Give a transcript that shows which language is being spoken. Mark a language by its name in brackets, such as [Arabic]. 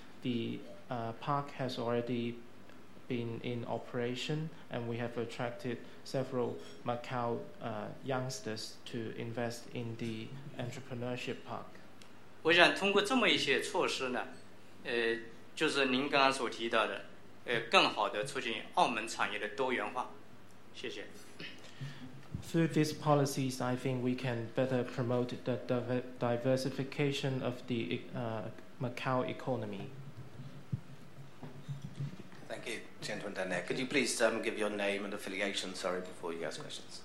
[English] The park has already been in operation and we have attracted several Macau youngsters to invest in the entrepreneurship park. [Chinese] 我想通过这么一些措施呢，就是您刚刚所提到的，更好地促进澳门产业的多元化。谢谢。 [English] Through these policies, I think we can better promote the diversification of the Macau economy. Thank you, Chen Tuan Dan. Could you please give your name and affiliation, sorry, before you ask questions?